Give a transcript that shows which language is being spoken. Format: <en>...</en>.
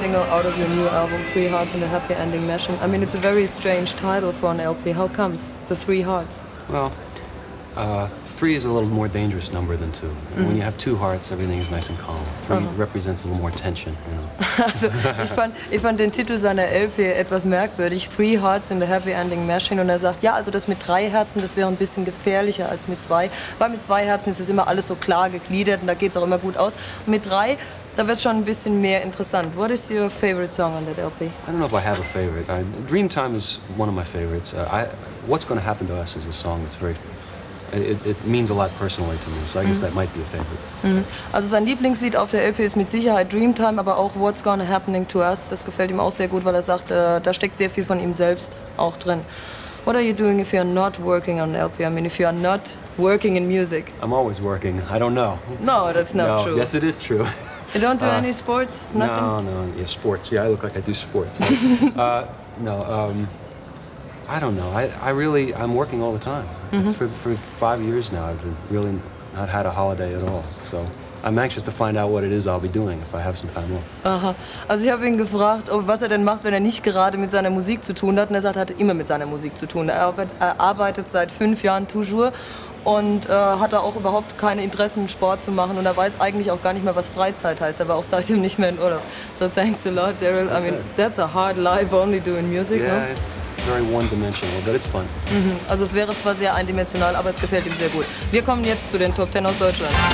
<en>Out of your new album, Three Hearts and a Happy Ending Mashing. I mean, it's a very strange title for an LP. How comes, the three hearts? Well, three is a little more dangerous number than two. Mm-hmm. When you have two hearts, everything is nice and calm. Three represents a little more tension, you know.</en> <de>Also, ich fand den Titel seiner LP etwas merkwürdig.</de> <en>Three Hearts and a Happy Ending Mashing.</en> <de>Und er sagt, ja, also das mit drei Herzen, das wäre ein bisschen gefährlicher als mit zwei. Weil mit zwei Herzen ist es immer alles so klar gegliedert und da geht es auch immer gut aus. Und mit drei, da wird schon ein bisschen mehr interessant.</de> <en>What is your favorite song on that LP? I don't know if I have a favorite. Dreamtime is one of my favorites. What's going to happen to us is a song that's very... It means a lot personally to me, so I guess that might be a favorite. Mm-hmm.</en> <de>Also sein Lieblingslied auf der LP ist mit Sicherheit Dreamtime, aber auch What's Gonna Happening to Us. Das gefällt ihm auch sehr gut, weil er sagt, da steckt sehr viel von ihm selbst auch drin.</de> <en>What are you doing if you're not working on LP? I mean, if you're not working in music? I'm always working. I don't know. No, that's not true. Yes, it is true. You don't do any sports? Nothing? No. Yeah, sports. Yeah, I look like I do sports. I don't know. I'm working all the time. Mm-hmm. For 5 years now, I've really not had a holiday at all. So I'm anxious to find out what it is I'll be doing if I have some time off. Aha.</en> <de>Also ich habe ihn gefragt, was er denn macht, wenn er nicht gerade mit seiner Musik zu tun hat. Und er sagt, er hat immer mit seiner Musik zu tun. Er arbeitet seit 5 Jahren toujours. Und hat er auch überhaupt keine Interessen, Sport zu machen. Und er weiß eigentlich auch gar nicht mehr, was Freizeit heißt. Er war auch seitdem nicht mehr in Urlaub.</de> <en>So thanks a lot, Daryl. I mean, that's a hard life, only doing music. Yeah, it's very one-dimensional, but it's fun.</en> <de>Mm-hmm. Also es wäre zwar sehr eindimensional, aber es gefällt ihm sehr gut. Wir kommen jetzt zu den Top 10 aus Deutschland.</de>